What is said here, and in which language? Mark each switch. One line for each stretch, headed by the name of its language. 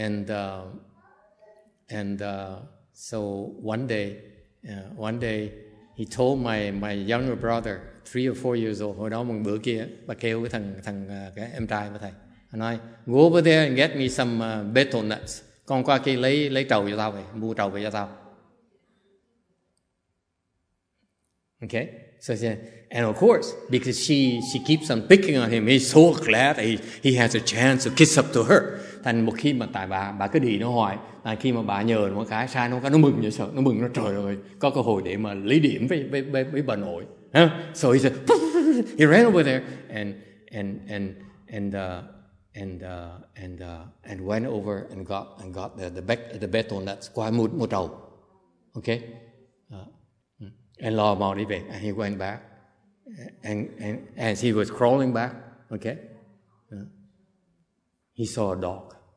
English: So one day he told my younger brother, 3 or 4 years old,
Vietnamese: hồi đó mừng bữa kia, bà kêu cái thằng cái em trai của thầy.
English: And I go over there and get me some betel nuts.
Vietnamese: Con qua kia lấy trầu cho tao vậy, mua trầu về cho tao.
English: Okay, so yeah, and of course, because she keeps on picking on him, he's so glad he has a chance to kiss up to her.
Vietnamese: Thành một khi mà tại bà cứ đi nó hoài, tại khi mà bà nhờ một cái sai nó cái nó mừng nó trời ơi, có cơ hội để mà lấy điểm với bà nội. Huh?
English: So he said, he ran over there and went over and got the betel nuts,
Vietnamese: qua mua trầu.
English: Okay. And
Vietnamese: lo mò đi về,
English: and he went back, and as he was crawling back, okay, he saw a dog.